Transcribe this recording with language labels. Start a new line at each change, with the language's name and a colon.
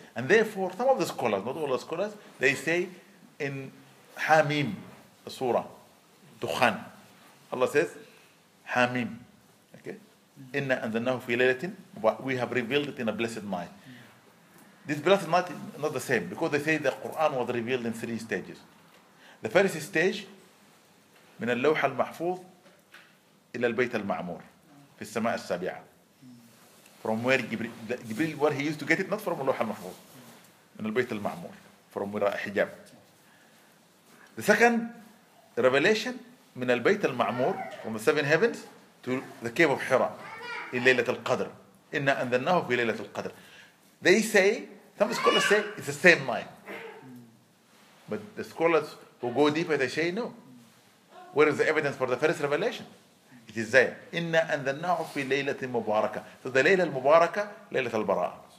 English: And therefore, some of the scholars, not all the scholars, they say in Hamim, the surah, Dukhan, Allah says, Hamim. Okay? Inna anzalnahu fi laylatin, we have revealed it in a blessed night. This blessed night is not the same, because they say the Quran was revealed in three stages. The first stage,
Arabic: من اللوح المحفوظ إلى البيت المعمور في السماء السابعة.
English: From where Jibril, where he used to get it, not from اللوح المحفوظ,
Arabic: من البيت المعمور,
English: from
Arabic: وراء حجاب.
English: The second revelation,
Arabic: من البيت المعمور,
English: from the seven heavens to the cave of Hira, in ليلة القدر.
Arabic: إنا أنزلناه في ليلة القدر.
English: They say, some scholars say it's the same night. But the scholars who go deeper, they say no. Where is the evidence for the first revelation? It is there. Inna anzalnahu fi laylatin mubarakah. So the layla al-mubarakah, laylat al-bara'ah.